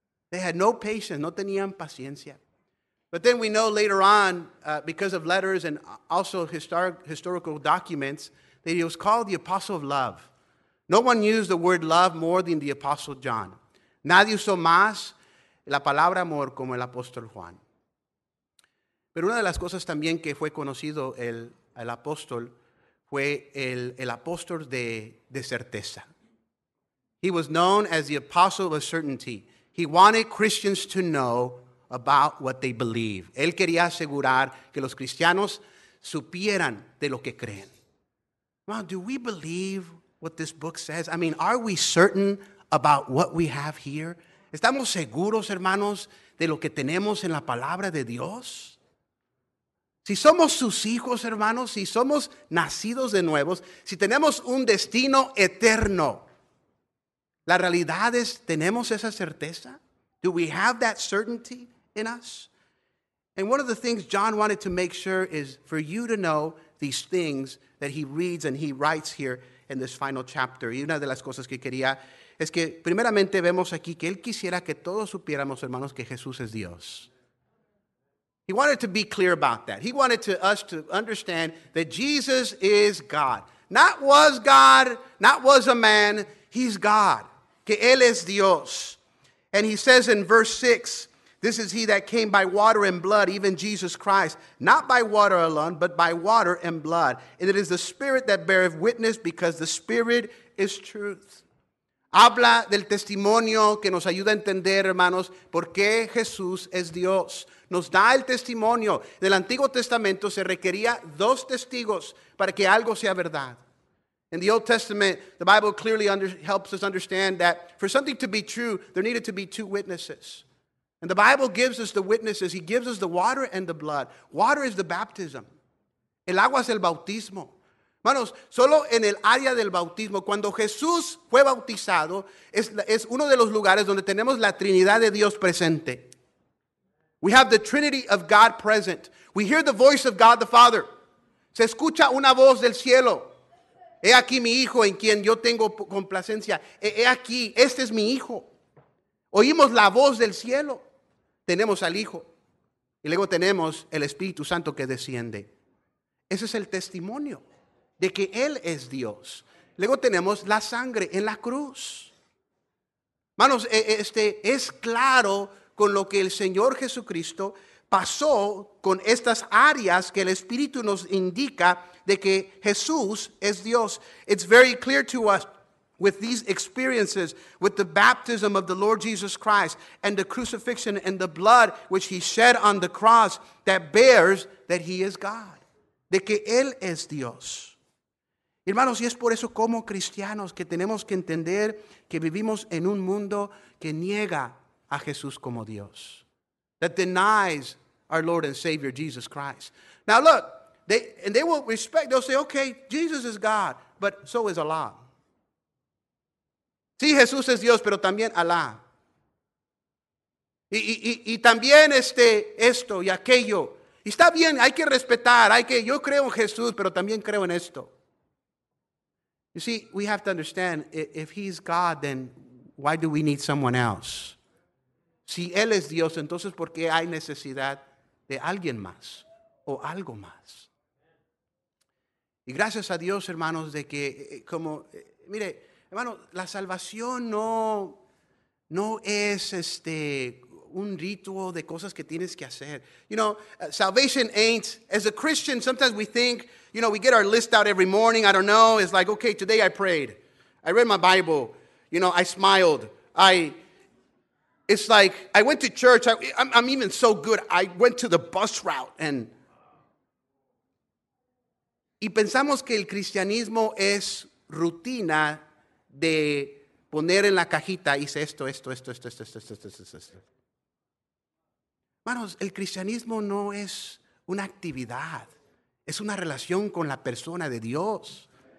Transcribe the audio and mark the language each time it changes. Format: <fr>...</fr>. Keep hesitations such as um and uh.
<en>They had no patience,</en> <es>no tenían paciencia.</es> <en>But then we know later on, uh, because of letters and also historic, historical documents, that he was called the Apostle of Love. No one used the word love more than the Apostle John.</en> <es>Nadie usó más la palabra amor como el apóstol Juan. Pero una de las cosas también que fue conocido el, el apóstol fue el, el apóstol de, de certeza.</es> <en>He was known as the apostle of certainty. He wanted Christians to know about what they believe.</en> <es>Él quería asegurar que los cristianos supieran de lo que creen.</es> <en>Wow, do we believe what this book says? I mean, are we certain about what we have here?</en> <es>¿Estamos seguros, hermanos, de lo que tenemos en la palabra de Dios? Si somos sus hijos, hermanos, si somos nacidos de nuevos, si tenemos un destino eterno, la realidad es, ¿tenemos esa certeza?</es> <en>Do we have that certainty in us? And one of the things John wanted to make sure is for you to know these things that he reads and he writes here in this final chapter.</en> <es>Y una de las cosas que quería es que primeramente vemos aquí que él quisiera que todos supiéramos, hermanos, que Jesús es Dios.</es> <en>He wanted to be clear about that. He wanted to, us to understand that Jesus is God. Not was God, not was a man, he's God.</en> <es>Que Él es Dios.</es> <en>And he says in verse 6 This is he that came by water and blood, even Jesus Christ, not by water alone, but by water and blood. And it is the Spirit that beareth witness, because the Spirit is truth.</en> <es>Habla del testimonio que nos ayuda a entender, hermanos, por qué Jesús es Dios. Nos da el testimonio. En el Antiguo Testamento se requería dos testigos para que algo sea verdad.</es> <en>In the Old Testament, the Bible clearly under, helps us understand that for something to be true, there needed to be two witnesses. And the Bible gives us the witnesses. He gives us the water and the blood. Water is the baptism.</en> <es>El agua es el bautismo. Hermanos, solo en el área del bautismo, cuando Jesús fue bautizado, es, es uno de los lugares donde tenemos la Trinidad de Dios presente.</es> <en>We have the Trinity of God present. We hear the voice of God the Father.</en> <es>Se escucha una voz del cielo. He aquí mi hijo en quien yo tengo complacencia. He, he aquí, este es mi hijo. Oímos la voz del cielo. Tenemos al Hijo. Y luego tenemos el Espíritu Santo que desciende. Ese es el testimonio de que Él es Dios. Luego tenemos la sangre en la cruz. Hermanos, este es claro con lo que el Señor Jesucristo pasó con estas áreas que el Espíritu nos indica de que Jesús es Dios.</es> <en>It's very clear to us with these experiences, with the baptism of the Lord Jesus Christ and the crucifixion and the blood which he shed on the cross that bears that he is God,</en> <es>de que Él es Dios. Hermanos, y es por eso como cristianos que tenemos que entender que vivimos en un mundo que niega a Jesús como Dios.</es> <en>That denies our Lord and Savior Jesus Christ. Now look, they and they will respect, they'll say, okay, Jesus is God, but so is Allah.</en> <es>Sí, Jesús es Dios, pero también Alá. Y, y, y, y también este, esto y aquello. Y está bien, hay que respetar, hay que, yo creo en Jesús, pero también creo en esto.</es> <en>You see, we have to understand if he's God, then why do we need someone else?</en> <es>Si él es Dios, entonces ¿por qué hay necesidad de alguien más o algo más? Y gracias a Dios, hermanos, de que como mire, hermano, la salvación no no es este un ritual de cosas que tienes que hacer.</es> <en>You know, salvation ain't, as a Christian, sometimes we think, you know, we get our list out every morning. I don't know. It's like, okay, today I prayed. I read my Bible. You know, I smiled. I, it's like, I went to church. I, I'm, I'm even so good. I went to the bus route and.</en> <es>Y pensamos que el cristianismo es rutina de poner en la cajita, hice esto, esto, esto, esto, esto, esto, esto, esto, esto. esto. Hermanos, el cristianismo no es una actividad, es una relación con la persona de Dios.</es>